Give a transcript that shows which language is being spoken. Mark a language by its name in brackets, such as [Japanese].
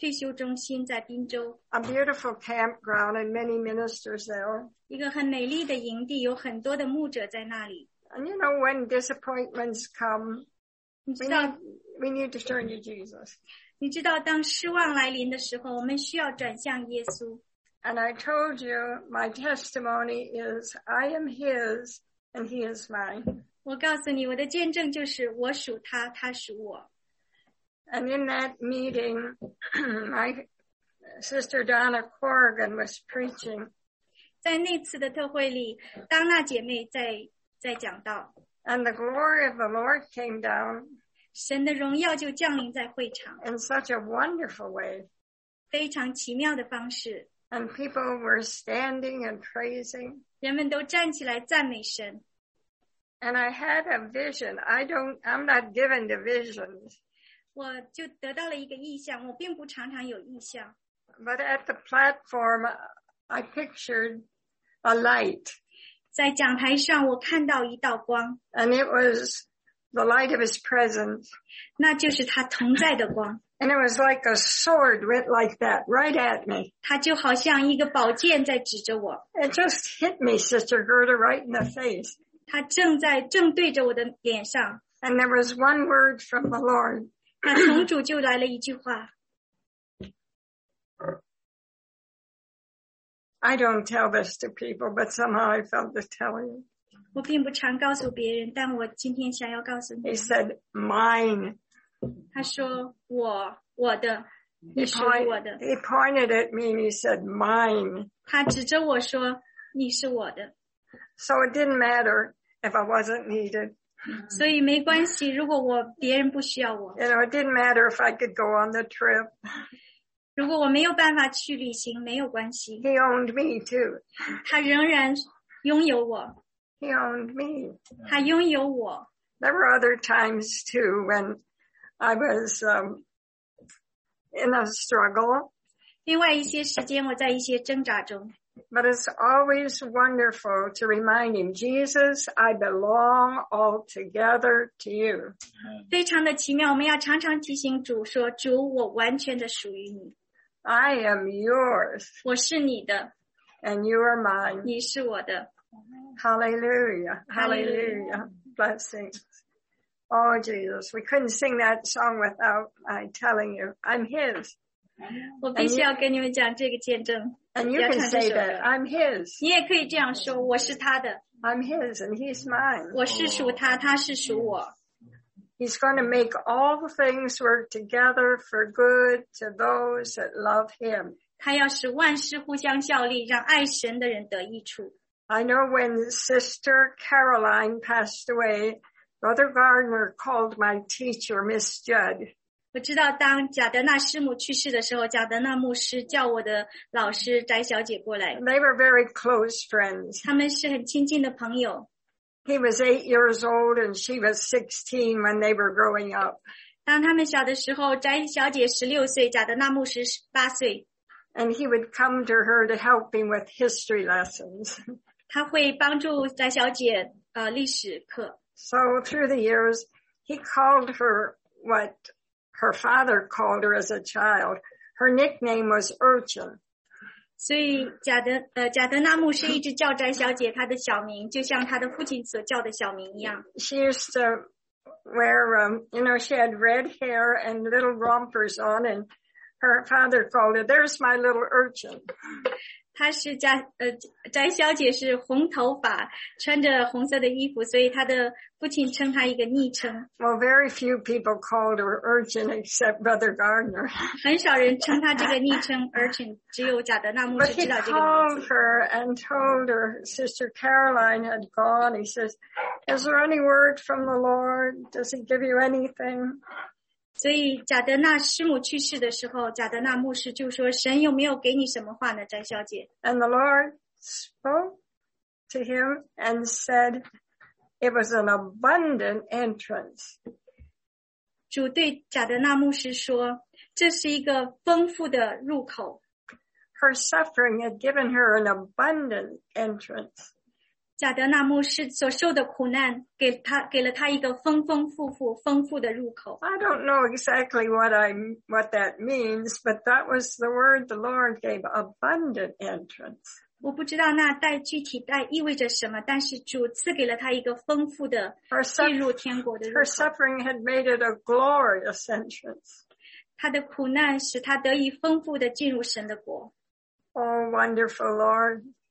[Chinese] 我们当时在一个犹太人的退休中心在宾州。 [English] A beautiful campground and many ministers there. [Chinese] 一个很美丽的营地,有很多的牧者在那里。 [English] And you know, when disappointments come, we need to turn to Jesus. [Chinese] 你知道当失望来临的时候,我们需要转向耶稣。 [English] And I told you, my testimony is, I am his, and he is mine. [Chinese] 我告诉你,我的见证就是,我属他,他属我。 [English] And in that meeting, my sister Donna Corrigan was preaching. [Chinese] 在那次的特会里,当那姐妹在 [English] And the glory of the Lord came down. [Chinese] 神的荣耀就降临在会场。 [English] In such a wonderful way. [Chinese] 非常奇妙的方式。 [English] And people were standing and praising. [Chinese] 人们都站起来赞美神。 [English] And I had a vision. I'm not given to visions. [Chinese] 我就得到了一个意象，我并不常常有意象。 [English] But at the platform, I pictured a light. [Chinese] 在讲台上我看到一道光, [English] and it was the light of his presence. [Chinese] 那就是他同在的光。 [English] And it was like a sword went like that right at me. [Chinese] 他就好像一个宝剑在指着我。 [English] It just hit me, Sister Gerda, right in the face. [Chinese] 他正对着我的脸上。 [English] And there was one word from the Lord. [Chinese] 那从主就来了一句话。 [English] I don't tell this to people, but somehow I felt to tell you. [Chinese] 我并不常告诉别人,但我今天想要告诉你。 [English] He said, mine. [Chinese] 他说,我的。 [English] He pointed at me and he said, mine. [Chinese] 他指着我说,你是我的。 [English] So it didn't matter if I wasn't needed. [Chinese] 所以没关系,如果别人不需要我。 [English] You know, it didn't matter if I could go on the trip. [Chinese] 如果我没有办法去旅行，没有关系。 [English] He owned me too. [Chinese] 他仍然拥有我。 [English] He owned me. [Chinese] 他拥有我。 [English] There were other times too when I was in a struggle. [Chinese] 另外一些时间我在一些挣扎中。 [English] But it's always wonderful to remind him, Jesus, I belong altogether to you. [Chinese] 非常的奇妙，我们要常常提醒主说，主，我完全的属于你。 [English] I am yours. [Chinese] 我是你的。 [English] And you are mine. [Chinese] 你是我的。 [English] Hallelujah. Hallelujah. Blessings. Oh, Jesus, we couldn't sing that song without my telling you, I'm his. [Chinese] 我必须要跟你们讲这个见证。 [English] And you can say that, I'm his. [Chinese] 你也可以这样说，我是他的。 [English] I'm his and he's mine. [Chinese] 我是属他，他是属我。 [English] He's going to make all things work together for good to those that love him. [Chinese] 他要使万事互相效力，让爱神的人得益处。 [English] I know when Sister Caroline passed away, Brother Gardner called my teacher, Miss Judd. [Chinese] 我知道当贾德纳师母去世的时候，贾德纳牧师叫我的老师翟小姐过来。 [English] They were very close friends. [Chinese] 他们是很亲近的朋友。 [English] He was 8 years old and she was 16 when they were growing up. [Chinese] 当他们小的时候，翟小姐16岁，贾德纳牧师18岁。 [English] And he would come to her to help him with history lessons. [Chinese] 他会帮助翟小姐历史课。 [English] So through the years, he called her what? Her father called her as a child. Her nickname was Urchin. [Chinese] 所以贾德纳牧师一直叫翟小姐她的小名，就像她的父亲所叫的小名一样。 [English] She used to wear, she had red hair and little rompers on, and her father called her, "There's my little Urchin." [Chinese] 她是翟小姐是红头发，穿着红色的衣服，所以她的父亲称她一个昵称。 [English] Well, very few people called her Urchin except Brother Gardner. [Chinese] 很少人称她这个昵称 Urchin, 只有贾德纳牧师知道这个名字。 [English] But he called her and told her Sister Caroline had gone. He says, "Is there any word from the Lord? Does he give you anything?" [Chinese] 所以贾德纳师母去世的时候，贾德纳牧师就说：“神有没有给你什么话呢，翟小姐？” [English] And the Lord spoke to him and said. It was an abundant entrance. [Chinese] 主对贾德纳牧师说，这是一个丰富的入口。 [English] Her suffering had given her an abundant entrance. [Chinese] 贾德纳牧师所受的苦难给了他一个丰富的入口。 [English] I don't know exactly what that means, but that was the word the Lord gave, abundant entrance. [Chinese] 我不知道那带具体带意味着什么，但是主赐给了他一个丰富的进入天国的入口。 [English] Her suffering had made it a glorious entrance. [Chinese] 他的苦难使他得以丰富的进入神的国。 [English] Oh, wonderful Lord.